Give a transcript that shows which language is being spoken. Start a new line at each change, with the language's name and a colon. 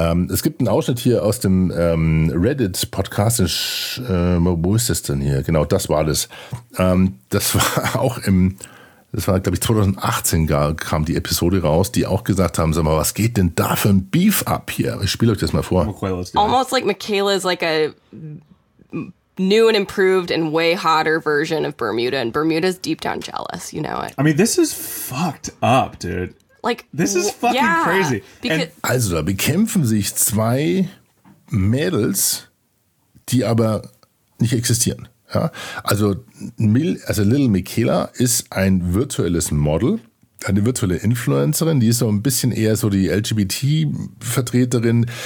German: Es gibt einen Ausschnitt hier aus dem Reddit-Podcast. Wo ist das denn hier? Genau, das war das. Das war, glaube ich, 2018 kam die Episode raus, die auch gesagt haben, sag mal, was geht denn da für ein Beef ab hier? Ich spiele euch das mal vor.
English: Almost like Michaela is like a new and improved and way hotter version of Bermuda, and Bermuda's deep down jealous, you know it. I mean, this is fucked up, dude. Like, this is fucking crazy.
German: Also, da bekämpfen sich zwei Mädels, die aber nicht existieren. Ja, also Little Michaela ist ein virtuelles Model, eine virtuelle Influencerin, die ist so ein bisschen eher so die LGBT-Vertreterin.